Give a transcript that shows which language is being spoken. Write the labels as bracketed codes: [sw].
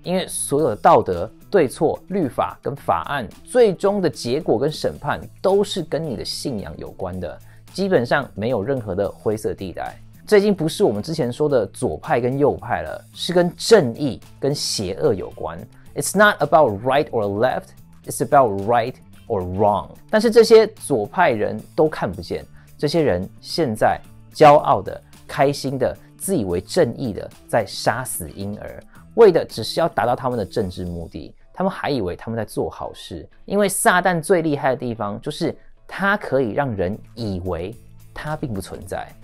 [zh] 因为所有的道德、对错、律法跟法案，最终的结果跟审判都是跟你的信仰有关的，基本上没有任何的灰色地带。这已经不是我们之前说的左派跟右派了，是跟正义跟邪恶有关。 [en] It's not about right or left, it's about right or wrong. [zh] 但是这些左派人都看不见，这些人现在骄傲的、开心的、自以为正义的在杀死婴儿，为的只是要达到他们的政治目的。他们还以为他们在做好事，因为撒旦最厉害的地方就是它可以让人以为它并不存在。